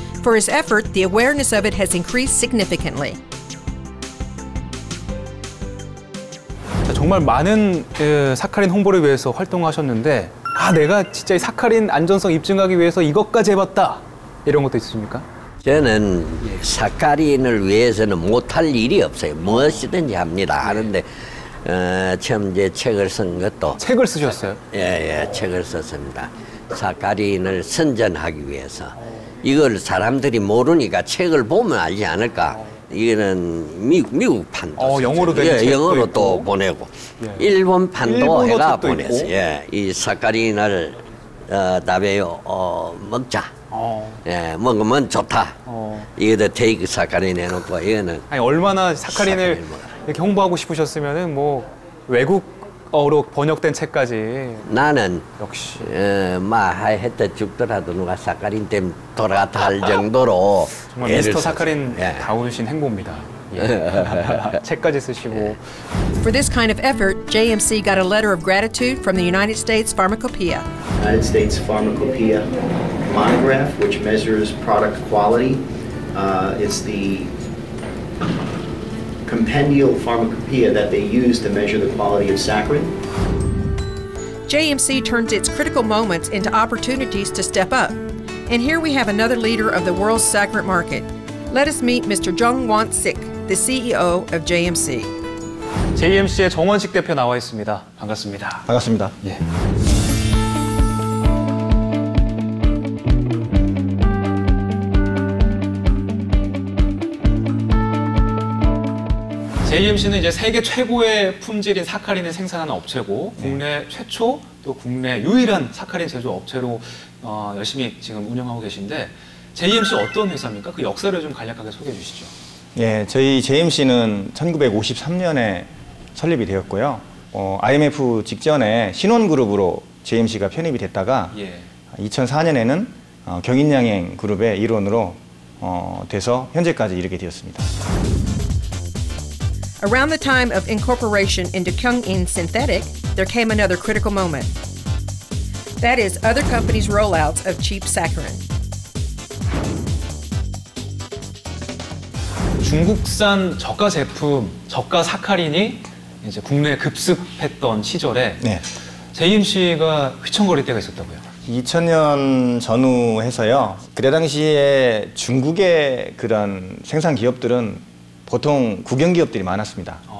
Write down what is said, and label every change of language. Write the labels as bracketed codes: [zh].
[en] For his effort, the awareness of it has increased significantly. [ko] 정말 많은 사카린 홍보를 위해서 활동하셨는데 아 내가 진짜 이 사카린 안전성 입증하기 위해서 이것까지 해봤다 이런 것도 있으십니까? 저는 사카린을 위해서는 못할 일이 없어요. 무엇이든지 합니다. 하는데 처음 이제 책을 쓴 것도 책을 쓰셨어요? 예예 책을 썼습니다. 사카린을 선전하기 위해서 이걸 사람들이 모르니까 책을 보면 알지 않을까. 이거는 미국 판도 영어로 된 책도 영어로 또 보내고 일본 판도 해가 보냈어요. 예, 이 사카린을 나베요 먹자. 예, 먹으면 좋다. 이거도 테이크 사카린 해놓고 이거는 아니 얼마나 사카린을 이렇게 홍보하고 싶으셨으면은 뭐 외국어로 번역된 책까지 나는 역시 하여튼 죽더라도 누가 사카린 때문에 돌아갔다 할 정도로 정말 미스터 사카린 다운신 행보입니다. 예. 책까지 쓰시고 [en] For this kind of effort, JMC got a letter of gratitude from the United States Pharmacopeia. United States Pharmacopeia monograph, which measures product quality. It's the compendial pharmacopeia that they use to measure the quality of saccharin. JMC turns its critical moments into opportunities to step up. And here we have another leader of the world's saccharin market. Let us meet Mr. Jung Won Sik, the CEO of JMC. [ko] JMC의 정원식 대표 나와 있습니다. 반갑습니다. 반갑습니다. 예. 네. JMC는 이제 세계 최고의 품질인 사카린을 생산하는 업체고 국내 최초 또 국내 유일한 사카린 제조 업체로 열심히 지금 운영하고 계신데 JMC 어떤 회사입니까? 그 역사를 좀 간략하게 소개해 주시죠. 예, 저희 JMC는 1953년에 설립이 되었고요. IMF 직전에 신원그룹으로 JMC가 편입이 됐다가 예. 2004년에는 경인양행 그룹의 일원으로 돼서 현재까지 이르게 되었습니다. [en] Around the time of incorporation into Kyungin Synthetic, there came another critical moment. That is other companies' rollouts of cheap saccharin. [ko] 중국산 저가 제품, 저가 사카린이 이제 국내에 급습했던 시절에 네. JMC가 휘청거릴 때가 있었다고요. 2000년 전후해서요. 그때 당시에 중국의 그런 생산 기업들은 보통 국영 기업들이 많았습니다.